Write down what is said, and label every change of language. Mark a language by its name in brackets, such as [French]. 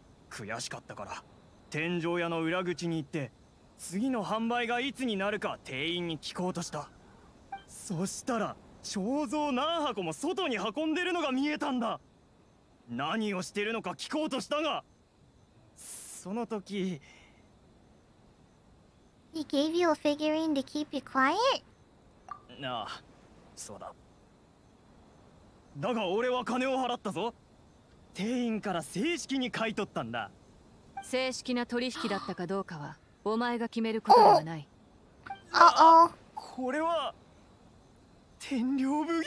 [Japanese] 悔しかったから、天井屋の裏口に行って、次の販売がいつになるか店員に聞こうとした。そしたら彫像何箱も外に運んでるのが見えたんだ。何をしてるのか聞こうとしたが、その時 [English] He gave you a figurine to keep you quiet? [Japanese] なあ、そうだ。だが俺は金を払ったぞ。店員から正式に買い取ったんだ。正式な取引だったかどうかはお前が決めることではない。あ、これは天領奉行。